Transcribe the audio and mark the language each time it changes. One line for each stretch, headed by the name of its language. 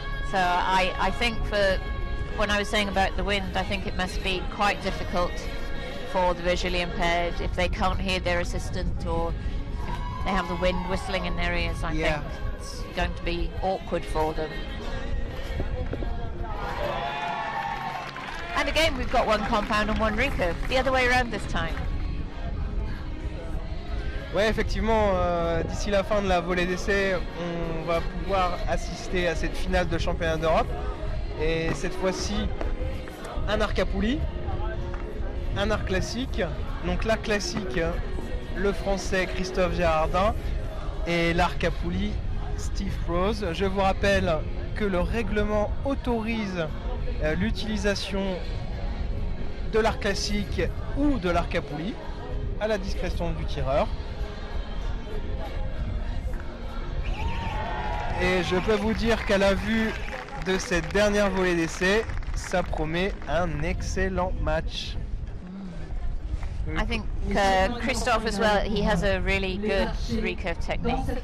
English: So I think for when I was saying about the wind, I think it must be quite difficult for the visually impaired if they can't hear their assistant or if they have the wind whistling in their ears, I think. It's going to be awkward for them. And again, we've got one compound and one recurve. The other way around this time.
French: Ouais, effectivement, d'ici la fin de la volée d'essai, on va pouvoir assister à cette finale de championnat d'Europe. Et cette fois-ci, un arc à poulie, un arc classique. Donc l'arc classique, le français Christophe Gérardin et l'arc à poulie, Steve Rose. Je vous rappelle que le règlement autorise l'utilisation de l'arc classique ou de l'arc à poulie à la discrétion du tireur. Et je peux vous dire qu'à la vue de cette dernière volée d'essai, ça promet un excellent match.
English: I think Christophe as well, he has a really good recurve technique.